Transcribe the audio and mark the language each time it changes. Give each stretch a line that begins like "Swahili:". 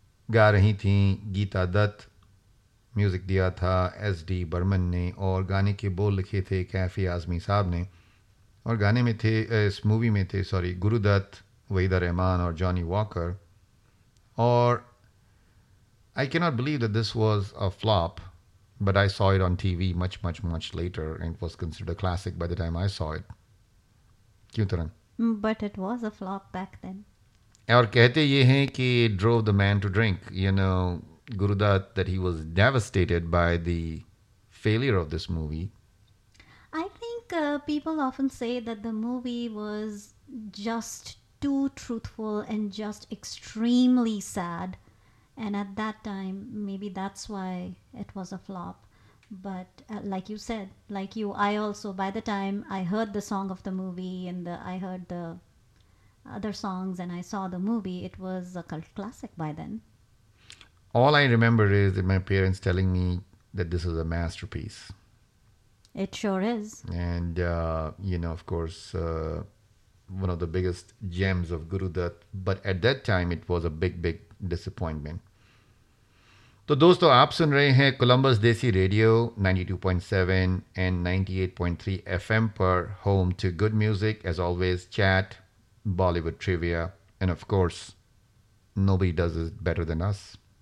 Hindi: गा रही थी गीता दत्त, म्यूज़िक दिया था एस डी बर्मन ने और गाने के बोल लिखे थे कैफ़ी आज़मी साहब ने और गाने में थे इस मूवी में थे सॉरी गुरुदत्त, वहीदा रहमान और जॉनी वॉकर.
English: और I can not believe that this was a flop. But I saw it on TV much, much, much later and it was considered a classic by the time I saw it.
Hindi: Kyun taran?
English: But it was a flop back then.
Hindi: Aur kehte ye hain ki
English: it drove the man to drink. You know, Gurudat, that he was devastated by the failure of this movie. I think people often say that the movie was just too truthful and just extremely sad. And at that time, maybe that's why it was a flop. But like you said, like you, I also, by the time I heard the song of the movie and I heard the other songs and I saw the movie, it was a cult classic by then. All I remember is that my parents telling me that this is a masterpiece. It sure is. And, you know, of course, one of the biggest gems of Gurudat. But at that time, it was a big, big disappointment.
Hindi: तो दोस्तों आप सुन रहे हैं
English: Columbus desi radio 92.7 and 98.3 FM पर, home to good music as always, chat, Bollywood trivia and of course nobody does it better than us.